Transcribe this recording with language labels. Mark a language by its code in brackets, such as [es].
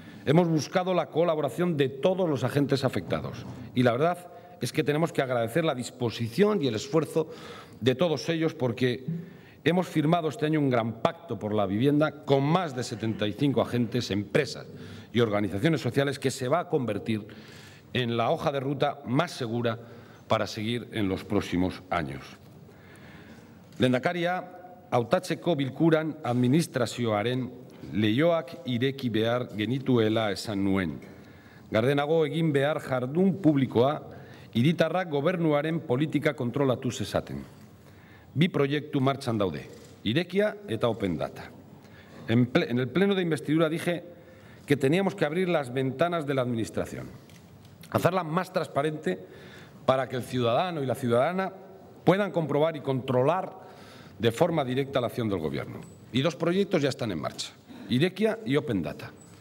[es] Hemos buscado la colaboración de todos los agentes afectados y la verdad es que tenemos que agradecer la disposición y el esfuerzo de todos ellos porque hemos firmado este año un gran pacto por la vivienda con más de 75 agentes, empresas y organizaciones sociales que se va a convertir en la hoja de ruta más segura para seguir en los próximos años. [eu] Lehendakaria, hautatzeko bilkuran administrazioaren leioak ireki behar genituela esan nuen. Gardenago egin behar jardun publikoa hiritarrak gobernuaren politika kontrolatu zezaten. Bi proiektu martxan daude, Irekia eta Open Data. [es] En el pleno de investidura dije que teníamos que abrir las ventanas de la administración, hacerla más transparente para que el ciudadano y la ciudadana puedan comprobar y controlar de forma directa la acción del gobierno. Y dos proyectos ya están en marcha, Irekia y Open Data.